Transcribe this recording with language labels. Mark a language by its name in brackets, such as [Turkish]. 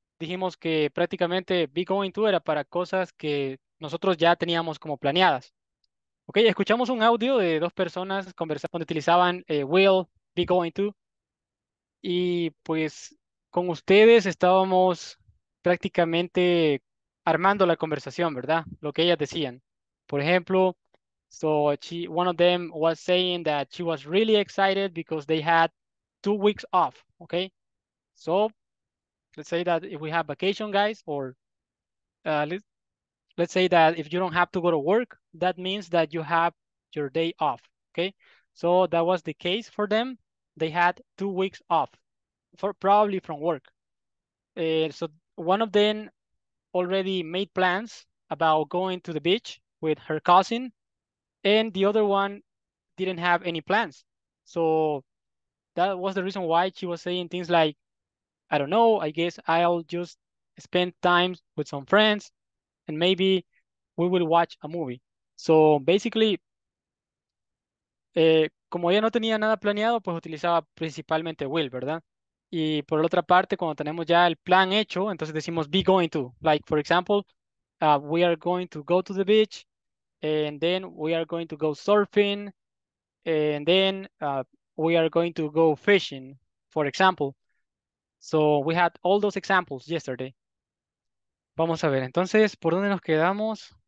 [Spanish] Dijimos que prácticamente be going to era para cosas que nosotros ya teníamos como planeadas. Ok, escuchamos un audio de dos personas conversando donde utilizaban will, be going to. Y pues con ustedes estábamos prácticamente armando la conversación, ¿verdad? Lo que ellas decían. Por ejemplo, [English] so she, one of them was saying that she was really excited because they had 2 weeks off, okay? So let's say that if we have vacation, guys, or let's say that if you don't have to go to work, that means that you have your day off, okay? So that was the case for them. They had 2 weeks off, for probably from work. So one of them already made plans about going to the beach with her cousin, and the other one didn't have any plans. So that was the reason why she was saying things like, I don't know, I guess I'll just spend time with some friends and maybe we will watch a movie. So basically, [Spanish] como ella no tenía nada planeado, pues utilizaba principalmente will, ¿verdad? Y por la otra parte, cuando tenemos ya el plan hecho, entonces decimos be going to. [English] Like, for example, we are going to go to the beach, and then we are going to go surfing, and then we are going to go fishing, for example. So we had all those examples yesterday. [Spanish] Vamos a ver, entonces, ¿por dónde nos quedamos?